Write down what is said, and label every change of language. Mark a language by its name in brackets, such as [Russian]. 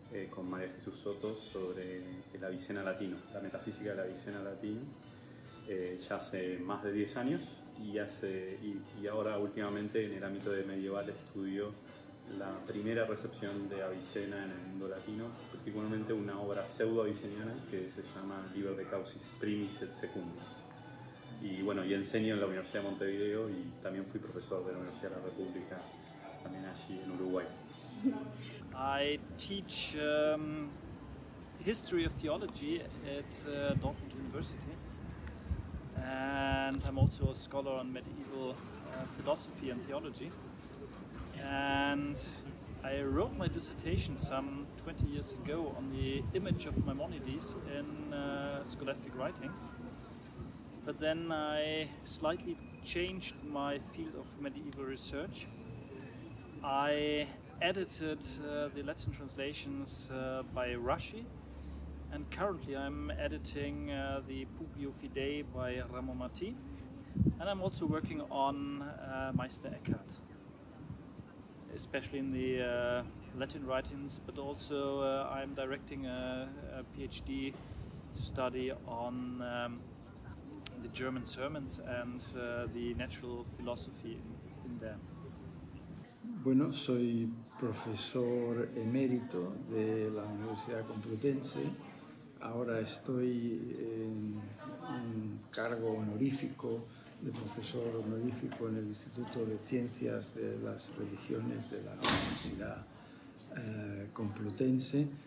[Spanish] Con María Jesús Soto sobre el Avicena Latino, la metafísica del Avicena Latino, ya hace más de 10 años y ahora últimamente en el ámbito de medieval estudio la primera recepción de Avicena en el mundo latino, particularmente una obra pseudo-aviceniana que se llama Liber de Causis Primis et Secundis. Y bueno, y enseño en la Universidad de Montevideo y también fui profesor de la Universidad de la República también allí en Uruguay. [English] I teach history of theology at Dortmund University, and I'm also a scholar on medieval philosophy and theology, and I wrote my dissertation some 20 years ago on the image of Maimonides in scholastic writings, but then I slightly changed my field of medieval research. I edited the Latin translations by Rashi, and currently I'm editing the Publio Fidei by Ramon Mati, and I'm also working on Meister Eckhart, especially in the Latin writings, but also I'm directing a PhD study on the German sermons and the natural philosophy in them. [Spanish] Bueno, soy profesor emérito de la Universidad Complutense. Ahora estoy en un cargo honorífico de profesor honorífico en el Instituto de Ciencias de las Religiones de la Universidad Complutense.